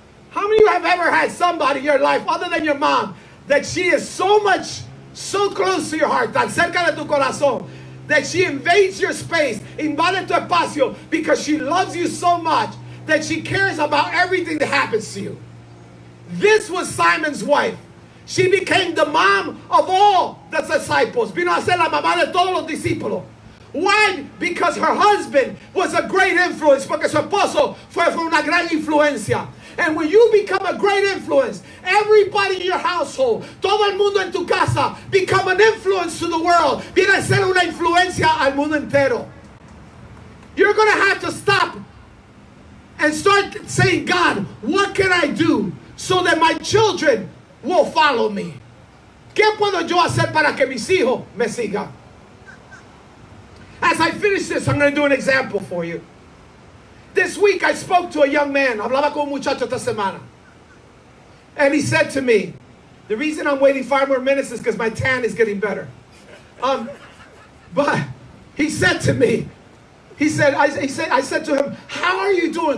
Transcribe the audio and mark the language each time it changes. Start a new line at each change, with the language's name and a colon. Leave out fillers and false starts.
English: How many of you have ever had somebody in your life other than your mom that she is so much, so close to your heart,
Spanish: tan cerca de tu corazón,
English: that she invades your space,
Spanish: invade tu espacio,
English: because she loves you so much that she cares about everything that happens to you. This was Simon's wife. She became the mom of all the disciples.
Spanish: Vino a ser la mamá de todos los discípulos.
English: Why? Because her husband was a great influence.
Spanish: Porque su esposo fue una gran influencia.
English: And when you become a great influence, everybody in your household,
Spanish: todo el mundo en tu casa,
English: become an influence to the world.
Spanish: Viene a ser una influencia al mundo entero.
English: You're going to have to stop and start saying, God, what can I do so that my children will follow me?
Spanish: ¿Qué puedo yo hacer para que mis hijos me sigan?
English: As I finish this, I'm going to do an example for you. This week I spoke to a young man.
Spanish: Hablaba con un muchacho esta semana.
English: And he said to me, the reason I'm waiting 5 more minutes is because my tan is getting better. But he said to me, I said to him, how are you doing?